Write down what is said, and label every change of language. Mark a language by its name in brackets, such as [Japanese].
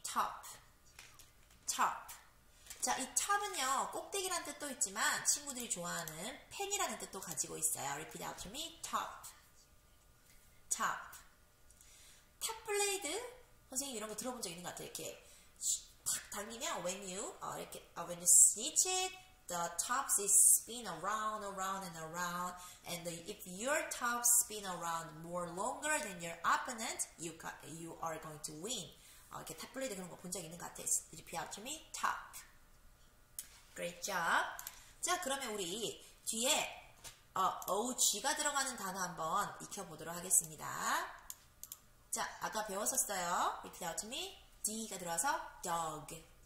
[Korean] Top 자, 이 top은요, 꼭대기란 뜻도 있지만 친구들이 좋아하는 펜이라는 뜻도 가지고 있어요. [English] Repeat after me. Top. [Korean] 탑블레이드? 선생님 이런 거 들어본 적 있는 것 같아요. 이렇게 탁 당기면 [English] when you snitch it, the tops is spin around and around. And if your tops spin around more longer than your opponent, you are going to win. [Korean] 이렇게 탑블레이드 그런 거 본 적 있는 것 같아요. [English] Repeat after me. Top. Great job. [Korean] 자, 그러면 우리 뒤에 OG가 들어가는 단어 한번 익혀보도록 하겠습니다. 자, 아까 배웠었어요. [English] Repeat after me. [Korean] D가 들어와서 dog.